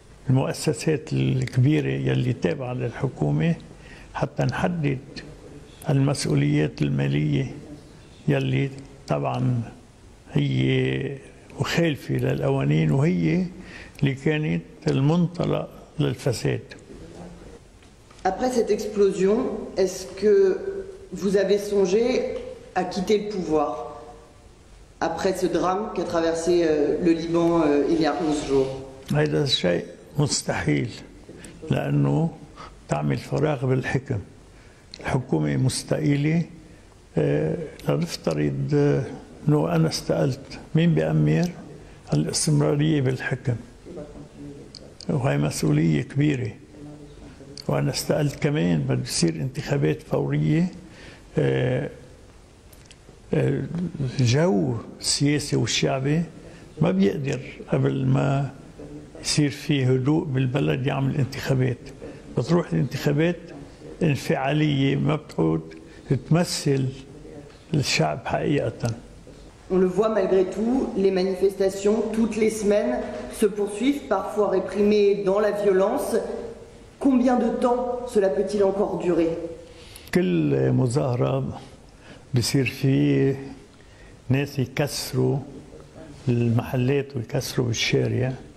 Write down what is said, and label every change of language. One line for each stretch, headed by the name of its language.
Arabic: المؤسسات الكبيرة يلي تابعة للحكومة حتى نحدد المسؤوليات المالية يلي طبعا هي مخالفة للقوانين وهي اللي كانت المنطلق للفساد.
French: Après cette explosion, est-ce que vous avez songé à quitter le pouvoir après ce drame qu'a traversé le Liban il y a 11 jours?
Arabic: هذا الشيء مستحيل لأنه تعمل فراغ بالحكم الحكومة مستقيلة لنفترض أنه أنا استقلت مين بأمر الاستمرارية بالحكم وهي مسؤولية كبيرة وأنا استقلت كمان بده يصير انتخابات فورية الجو السياسي والشعبي ما بيقدر قبل ما يصير في هدوء بالبلد يعمل انتخابات بتروح الانتخابات انفعالية ما بتعود تمثل الشعب حقيقة.
French: On le voit malgré tout, les manifestations toutes les semaines se poursuivent, parfois réprimées dans la violence. Combien de temps cela peut-il encore durer?
Arabic: كل مظاهرة بصير في ناس يكسروا المحلات ويكسروا بالشارع.